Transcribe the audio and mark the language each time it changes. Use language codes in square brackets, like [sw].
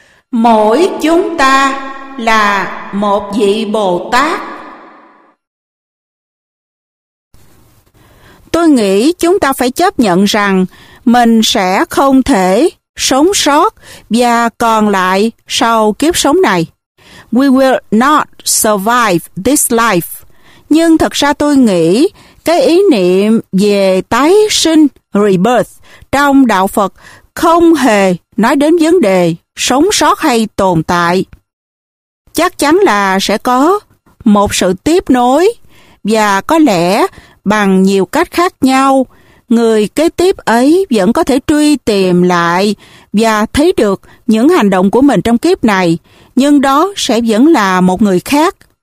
[vi] Mỗi chúng ta là một vị Bồ Tát. Tôi nghĩ chúng ta phải chấp nhận rằng mình sẽ không thể sống sót và còn lại sau kiếp sống này. [en] We will not survive this life. [vi] Nhưng thật ra tôi nghĩ cái ý niệm về tái sinh, rebirth, trong Đạo Phật không hề nói đến vấn đề sống sót hay tồn tại. Chắc chắn là sẽ có một sự tiếp nối, và có lẽ bằng nhiều cách khác nhau, người kế tiếp ấy vẫn có thể truy tìm lại và thấy được những hành động của mình trong kiếp này, nhưng đó sẽ vẫn là một người khác.